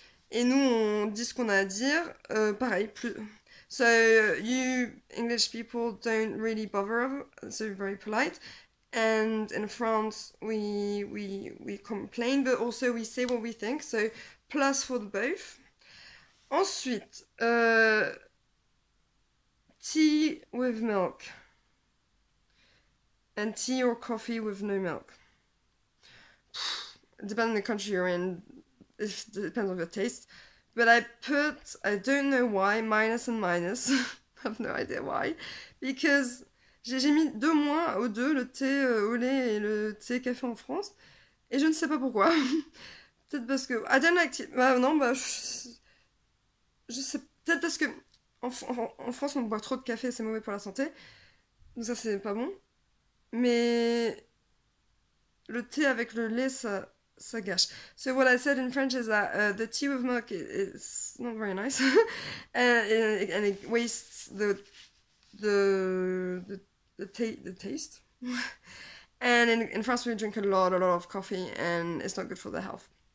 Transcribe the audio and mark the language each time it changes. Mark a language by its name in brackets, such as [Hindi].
[French] Et nous, on dit ce qu'on a à dire. Pareil, plus. [English] So, you English people don't really bother, so very polite. And in France, we complain, but also we say what we think. So, plus for the both. Ensuite, tea with milk. And tea or coffee with no milk. Depending on the country you're in. It depends on your taste, but I don't know why, minus and minus. I have no idea why, because [French] j'ai mis 2 mois aux deux, le thé au lait et le thé café en France, et je ne sais pas pourquoi. Peut-être parce que [English] I don't like tea. [French] Bah non, bah je sais. Peut-être parce que en France on boit trop de café, c'est mauvais pour la santé, donc ça c'est pas bon. Mais le thé avec le lait, ça. Ça gâche. [English] So what I said in French is that the tea with milk is not very nice, and it wastes the taste. And in France, we drink a lot of coffee, and it's not good for the health.